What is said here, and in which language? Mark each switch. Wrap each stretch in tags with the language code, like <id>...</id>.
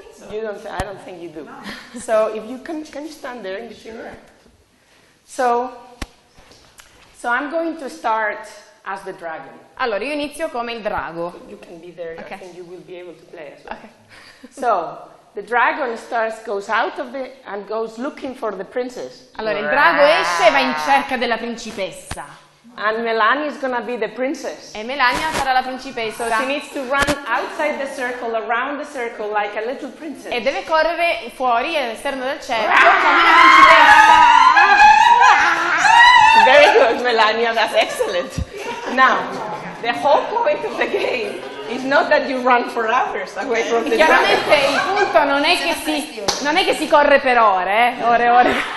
<en>I don't think you do. So if you can you stand there in the corner? So I'm going to start as the dragon.</en> <it>Allora, io inizio come il drago.</it> <en>You can be there, okay. I think you will be able to play as well. Okay. So, the dragon starts goes out of the and goes looking for the princess.</en> <it>Allora il drago esce e va in cerca della principessa.</it> <en>And Melania is gonna be the princess.</en> <it>E Melania sarà la principessa.</it> <en>So she needs to run outside the circle, around the circle, like a little princess.</en> <it>E deve correre fuori all'esterno del cerchio come una principessa.</it> <en>Very good, Melania. That's excellent. Now, the whole point of the game is not that you run for hours away from the dragon.</en> <it>Chiaramente il punto non è che si corre per ore, ore e ore.</it>